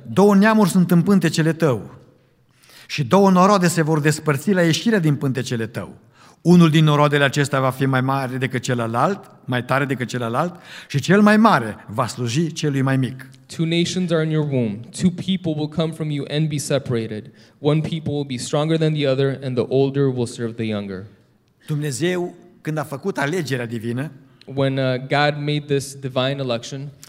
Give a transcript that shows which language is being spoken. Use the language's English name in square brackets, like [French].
[Romanian] Două neamuri sunt în pântecele tău. Și două noroade se vor despărți la ieșirea din pântecele tău. Unul din noroadele acestea va fi mai mare decât celălalt, mai tare decât celălalt, și cel mai mare va sluji celui mai mic. [English] Two nations are in your womb. Two people will come from you and be separated. One people will be stronger than the other, and the older will serve the younger. [Romanian] Dumnezeu, când a făcut alegerea divină, [English] when God made this divine election,